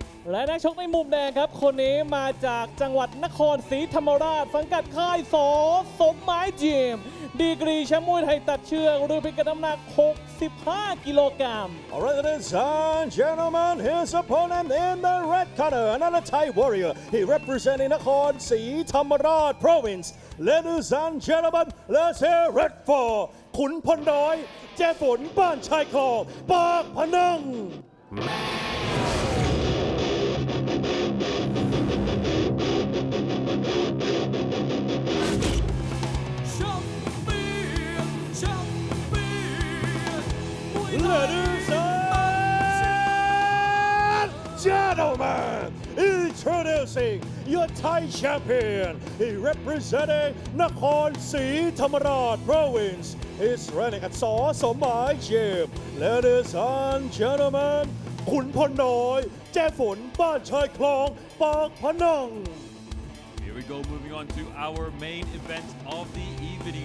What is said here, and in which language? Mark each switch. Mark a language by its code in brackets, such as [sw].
[th] และนักชกในมุมแดงครับคนนี้มาจากจังหวัดนครศรีธรรมราชสังกัดค่ายสสมหมายจิมดีกรีแชมป์มวยไทยตัดเชือกรุ่นพิกัดน้ำหนัก65กิโลกรัม [en] Alright ladies and gentlemen, his opponent in the red corner, another Thai warrior. He representing นครศรีธรรมราช province. Ladies and gentlemen, let's hear red for ขุนพลน้อยแจ้ฝนบ้านชายคลองปากพนังLadies and gentlemen, introducing your Thai champion. He representing Nakhon Si Thammarat Province. He's running at Saw Somai Gym. Ladies and gentlemen, Khun Phon Noi, Jai Phun, Ban Chai Klong, Pak Phanang. Here we go, moving on to our main event of the evening.